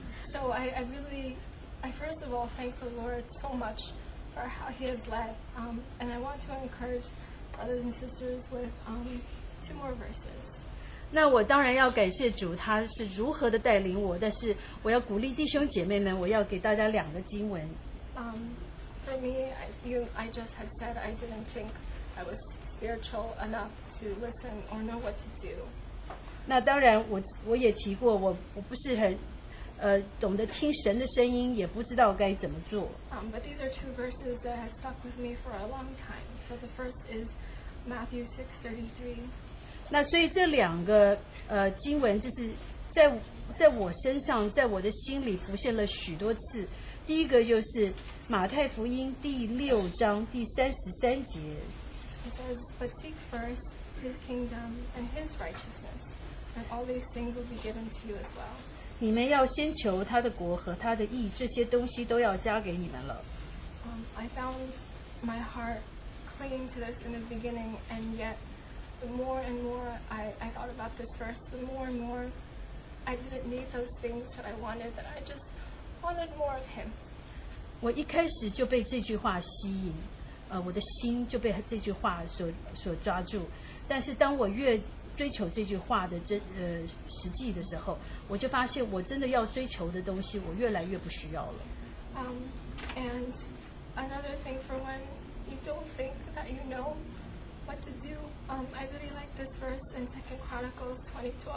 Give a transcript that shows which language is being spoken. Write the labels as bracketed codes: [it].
[en] So I first of all thank the Lord so much for how He has led. And I want to encourage brothers and sisters with two more verses. [zh] 那我当然要感谢主，他是如何的带领我。但是我要鼓励弟兄姐妹们，我要给大家两个经文。 [en] For me, I just had said I didn't think I was spiritual enough to listen or know what to do. [zh] 那当然我也提过，我不是很懂得听神的声音，也不知道该怎么做。 [en] But these are two verses that have stuck with me for a long time. So the first is Matthew 6:33. [zh] 那所以这两个经文就是在我身上，在我的心里浮现了许多次。第一个就是马太福音第六章第33节。 [en] It says, but seek first his kingdom and his righteousness, and all these things will be given to you as well. [zh] 你们要先求他的国和他的义，这些东西都要加给你们了。 [en] I found my heart clinging to this in the beginning, and yet the more and more I thought about this verse, the more and more I didn't need those things that I wanted, that I just wanted more of him. [zh] 我一开始就被这句话吸引，我的心就被这句话所抓住。但是当我越追求这句话的实际的时候，我就发现我真的要追求的东西我越来越不需要了。 [en] And another thing, for when you don't think that you know what to do, I really like this verse in 2 Chronicles 20:12.